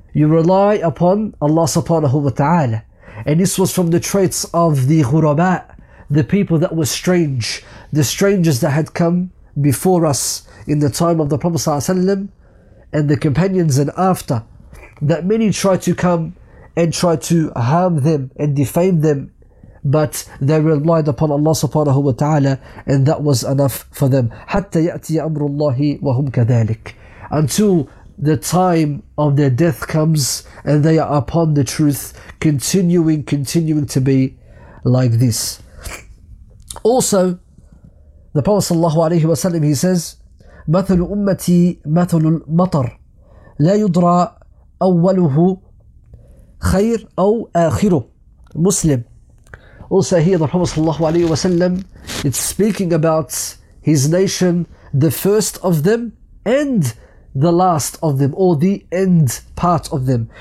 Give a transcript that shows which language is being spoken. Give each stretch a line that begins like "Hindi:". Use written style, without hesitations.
English: You rely upon Allah subhanahu wa ta'ala. And this was from the traits of the ghuraba, the people that were strange, the strangers that had come before us in the time of the Prophet sallallahu alaihi wasallam and the companions and after, that many tried to come and try to harm them and defame them, but they relied upon Allah subhanahu wa ta'ala, and that was enough for them.
Arabic: حتى يأتي أمر الله وهم كذلك.
English: Until the time of their death comes and they are upon the truth, continuing to be like this. Also, the Prophet sallallahu alayhi wa sallam, he says,
Arabic: مثل أمتي مثل المطر لا يدرى أوله خير أو آخره.
English: Muslim. Also here the Prophet sallallahu alayhi wa sallam, it's speaking about his nation, the first of them and the last of them, or the end part of them.